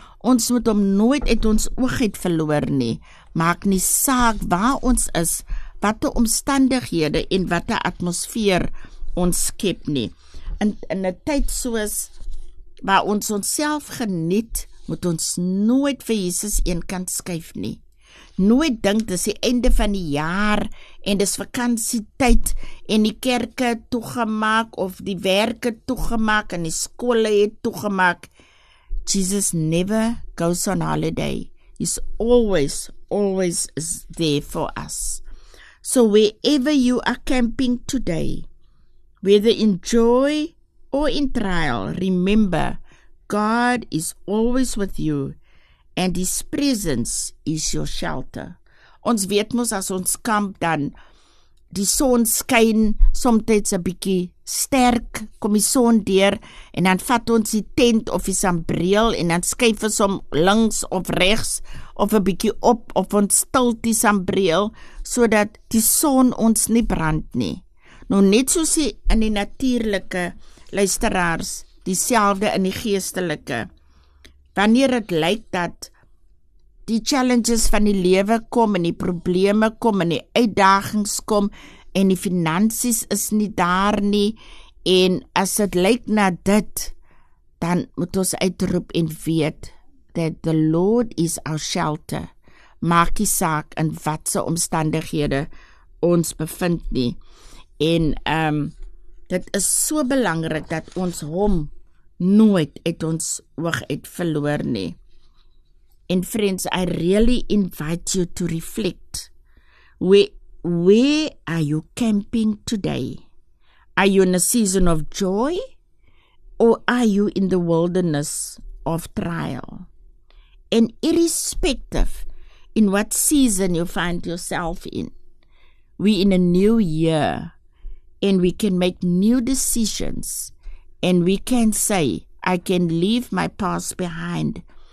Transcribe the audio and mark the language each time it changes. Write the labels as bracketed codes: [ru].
[af] Ons moet hom nooit uit ons oogheid verloor nie. Maak nie saak waar ons is, watte omstandighede en watte atmosfeer ons skep nie. In 'n tyd soos waar ons onsself geniet, moet ons nooit vir Jesus eenkant skuif nie. Nooit dink dis die einde van die jaar en dis vakansietyd en die kerke toegemaak of die werke toegemaak en die skole het toegemaak. [en] Jesus never goes on holiday. He's always, always there for us. So wherever you are camping today, whether in joy or in trial, remember, God is always with you and His presence is your shelter. [af] Ons weet mos as ons kamp dan, die son skyn somtyds 'n bietjie sterk, kom die son deur en dan vat ons die tent of die sambreel en dan skuif ons hom links of regs of 'n bietjie op of ons stil die sambreel sodat die son ons nie brand nie. Nou net soos in die natuurlike luisteraars, dieselfde in die geestelike. Wanneer dit lyk dat die challenges van die lewe kom en die probleme kom en die uitdagings kom en die finansies is nie daar nie en as dit lyk na dit, dan moet ons uitroep en weet [en] that the Lord is our shelter. [af] Maak nie saak in watse omstandighede ons bevind nie. En dit is so belangrik dat ons hom nooit uit ons oog uit verloor nie. [en] And friends, I really invite you to reflect. Where are you camping today? Are you in a season of joy? Or are you in the wilderness of trial? And irrespective in what season you find yourself in, we in a new year and we can make new decisions and we can say, I can leave my past behind.